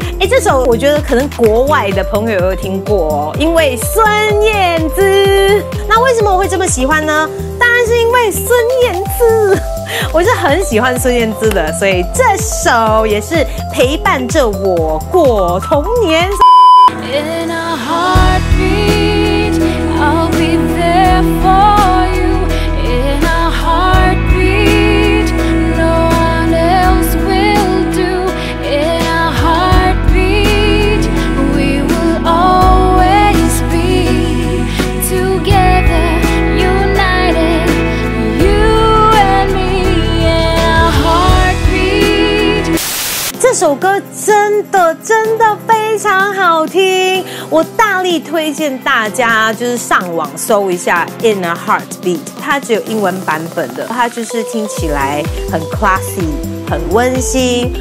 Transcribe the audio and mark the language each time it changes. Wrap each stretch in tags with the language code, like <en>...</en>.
<zh>这首我觉得可能国外的朋友有听过，因为孙燕姿。那为什么我会这么喜欢呢？当然是因为孙燕姿，我是很喜欢孙燕姿的，所以这首也是陪伴着我过童年。</zh> <en>In a heartbeat, I'll be there for you. In a heartbeat, no one else will do. In a heartbeat, we will always be together, united, you and me. In a heartbeat.</en> <zh>这首歌真的真的非常好听，我大力推荐大家就是上网搜一下 In a Heartbeat， 它只有英文版本的，它就是听起来很 classy 很温馨。</zh>